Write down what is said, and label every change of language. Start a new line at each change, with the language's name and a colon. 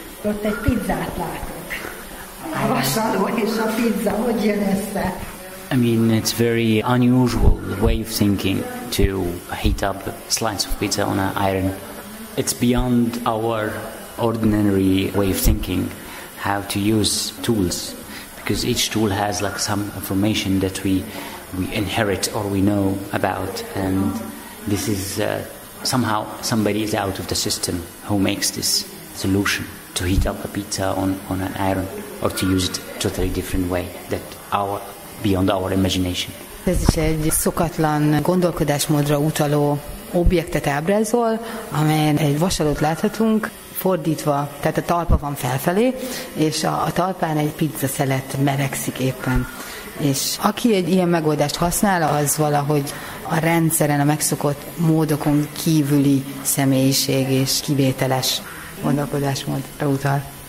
Hungarian: Ott egy pizzát látok. A vasaló és a pizza, hogy jön össze?
English: I mean, it's very unusual way of thinking to heat up a slice of pizza on an iron. It's beyond our ordinary way of thinking how to use tools, because each tool has like some information that we inherit or we know about, and this is somehow somebody is out of the system who makes this solution to heat up a pizza on an iron, or to use it totally different way that our beyond our imagination.
Hungarian: Ez is egy szokatlan gondolkodásmódra utaló objektet ábrázol, amelyen egy vasalót láthatunk fordítva, tehát a talpa van felfelé, és a talpán egy pizza szelet merekszik éppen. És aki egy ilyen megoldást használ, az valahogy a rendszeren, a megszokott módokon kívüli személyiség és kivételes gondolkodásmódra utal.